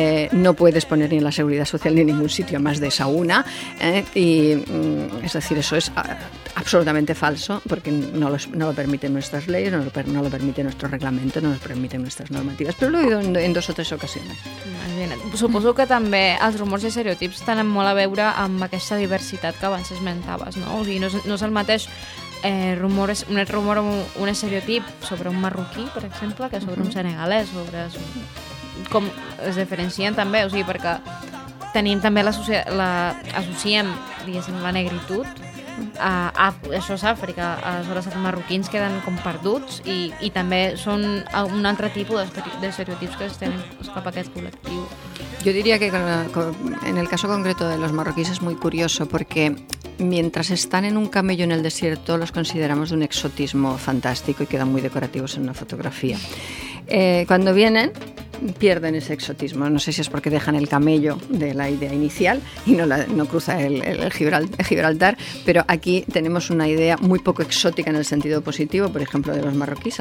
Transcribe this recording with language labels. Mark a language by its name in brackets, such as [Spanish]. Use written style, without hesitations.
[Spanish] No puedes poner ni en la seguridad social ni en ningún sitio más de esa una, es decir, eso es absolutamente falso, porque no lo permiten nuestras leyes, no lo permite nuestro reglamento, no lo permiten nuestras normativas, pero lo he oído en dos o tres ocasiones. [Catalan] Suposo que també els rumors i estereotips tenen molt a veure amb aquesta diversitat que abans esmentaves, no? O sigui, no és el mateix un estereotip sobre un marroquí, per exemple, que sobre un senegalès, sobre com es diferencien també, o sigui, perquè tenim també associem, diguéssim, la negritud a això és Àfrica, aleshores els marroquins queden com perduts i també són un altre tipus de estereotips que estem cap a aquest col·lectiu. Jo diria que en el cas concret de los marroquins és molt curioso, perquè [Spanish] mientras están en un camello en el desierto los consideramos de un exotismo fantástico y quedan muy decorativos en una fotografía. Cuando vienen, pierden ese exotismo. No sé si es porque dejan el camello de la idea inicial y no cruza el Gibraltar, pero aquí tenemos una idea muy poco exótica en el sentido positivo, por ejemplo, de los marroquíes.